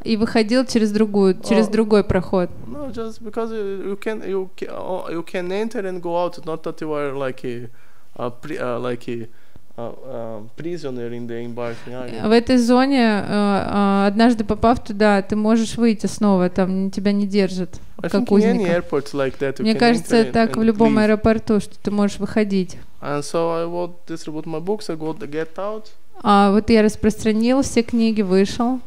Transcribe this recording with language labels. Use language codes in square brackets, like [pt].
[ru] И выходил через другую, через другой проход. [en] No, just because you can enter and go out, not that you are like prisoner in the embarking area. [ru] В этой зоне, однажды попав туда, ты можешь выйти снова, там тебя не держат, как узника. Мне кажется, так в любом аэропорту, что ты можешь выходить. [en] And so I would distribute my books, I would get out. [ru] А вот я распространил все книги, вышел.